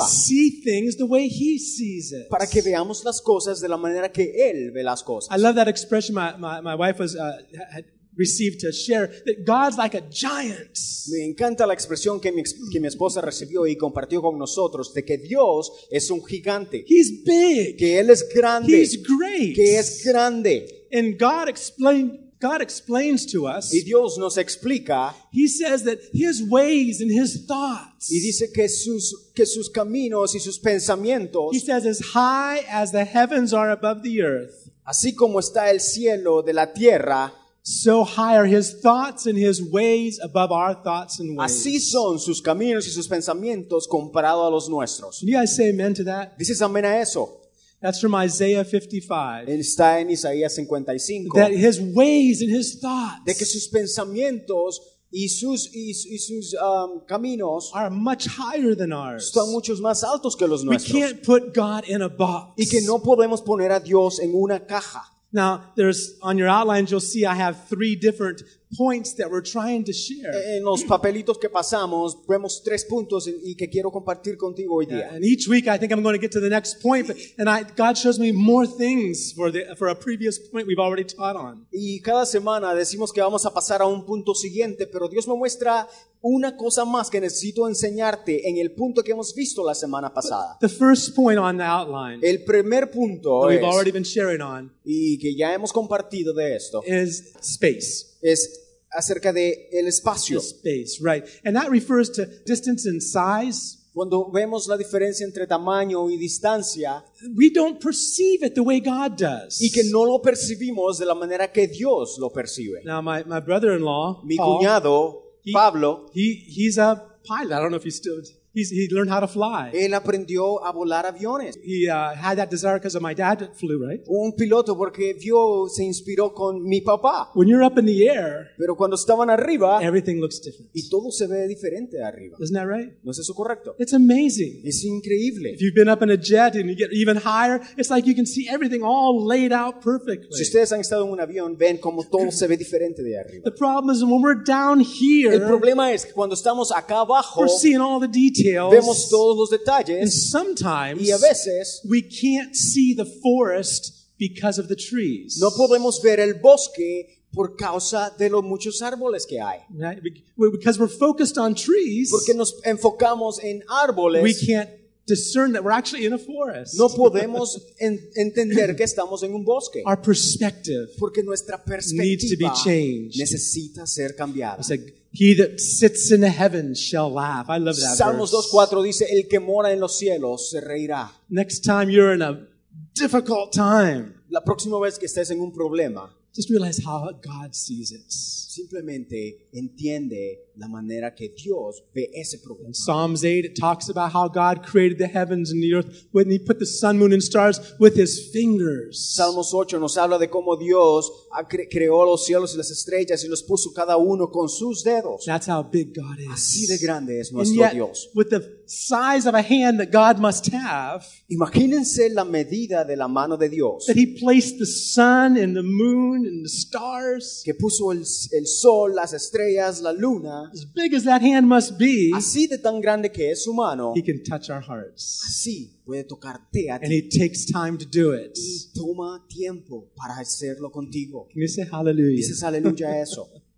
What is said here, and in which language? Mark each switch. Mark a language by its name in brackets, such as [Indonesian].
[English] To see things the way He sees it. [Spanish] Para que veamos las cosas de la manera que Él ve las cosas. [English] I love that expression. My wife was... had, received to share that God's like a giant. [Spanish] Me encanta la expresión que mi esposa recibió y compartió con nosotros de que Dios es un gigante. [English] He's big. [Spanish] Que él es grande. [English] He's great. [Spanish] Que es grande. [English] And God explains to us. [Spanish] Y Dios nos explica. [English] He says that his ways and his thoughts. [Spanish] Y dice que sus caminos y sus pensamientos. [English] He says as high as the heavens are above the earth. [Spanish] Así como está el cielo de la tierra. [English] So high are his thoughts and his ways above our thoughts and ways. [Spanish] Así son sus caminos y sus pensamientos comparado a los nuestros. [English] You guys say amen to that? [Spanish] Dices amén a eso. [English] That's from Isaiah 55. [Spanish] Está en Isaías 55. [English] That his ways and his thoughts. [Spanish] De que sus pensamientos y sus caminos [English] are much higher than ours. [Spanish] Son muchos más altos que los nuestros. [English] We can't put God in a box. [Spanish] Y que no podemos poner a Dios en una caja. [English] Now, there's on your outlines, you'll see I have three different points that we're trying to share. [Spanish] En los papelitos que pasamos, vemos tres puntos y que quiero compartir contigo hoy día. [English] And each week, I think I'm going to get to the next point, but, and I, God shows me more things for a previous point we've already taught on. [Spanish] Y cada semana decimos que vamos a pasar a un punto siguiente, pero Dios me muestra una cosa más que necesito enseñarte en el punto que hemos visto la semana pasada. [English] The first point on the outline, [Spanish] el primer punto [English] that we've [Spanish] es, [English] already been sharing on, [Spanish] y que ya hemos compartido de esto, [English] is space. [Spanish] Es acerca de el espacio. [English] The space, right. And that refers to distance and size. [Spanish] Cuando vemos la diferencia entre tamaño y distancia, [English] we don't perceive it the way God does. [Spanish] Y que no lo percibimos de la manera que Dios lo percibe. [English] Now my brother-in-law, [Spanish] mi cuñado, Pablo, [English] he's a pilot. I don't know if he still he learned how to fly. [Spanish] Él aprendió a volar aviones. [English] He had that desire because of my dad flew, right? [Spanish] Un piloto porque vio, se inspiró con mi papá. [English] When you're up in the air, [Spanish] pero cuando estaban arriba, [English] everything looks different. [Spanish] Y todo se ve diferente arriba. [English] Isn't that right? [Spanish] ¿No es eso correcto? [English] It's amazing. [Spanish] Es increíble. [English] If you've been up in a jet and you get even higher, it's like you can see everything all laid out perfectly. [Spanish] Si ustedes han estado en un avión, ven como todo se ve diferente de arriba. [English] The problem is when we're down here. [Spanish] El problema es que cuando estamos acá abajo, [English] we're seeing all the details. [Spanish] Vemos todos los detalles, [English] and sometimes [Spanish] y a veces, [English] we can't see the forest because of the trees. [Spanish] No podemos ver el bosque por causa de los muchos árboles que hay. [English] Right? Because we're focused on trees, [Spanish] porque nos enfocamos en árboles, [English] we can't discern that we're actually in a forest. [Spanish] No podemos entender que estamos en un bosque. [English] Our perspective, [Spanish] porque nuestra perspectiva [English] needs to be changed. [Spanish] Necesita ser cambiada. [English] He that sits in the heavens shall laugh. I love that [Spanish] Salmos [English] verse. [Spanish] 2:4 dice, el que mora en los cielos se reirá. [English] Next time you're in a difficult time, [Spanish] la próxima vez que estés en un problema, [English] just realize how God sees it. [Spanish] Simplemente entiende la manera que Dios ve ese problema. [English] In Psalms 8, it talks about how God created the heavens and the earth when he put the sun, moon, and stars with his fingers. [Spanish] Salmos 8 nos habla de cómo Dios creó los cielos y las estrellas y los puso cada uno con sus dedos. [English] That's how big God is. [Spanish] Así de grande es nuestro [English] Dios. And yet, with the size of a hand that God must have, [Spanish] imagínense la medida de la mano de Dios, [English] that he placed the sun and the moon and the stars, [Spanish] que puso el sol, las estrellas, la luna, [English] as big as that hand must be, [Spanish] así de tan grande que es su mano, [English] he can touch our hearts. [Spanish] Así puede tocarte a ti. [English] And it takes time to do it. [Spanish] Y toma tiempo para hacerlo contigo. [English] Can you say hallelujah? [Spanish] Dices aleluya a eso.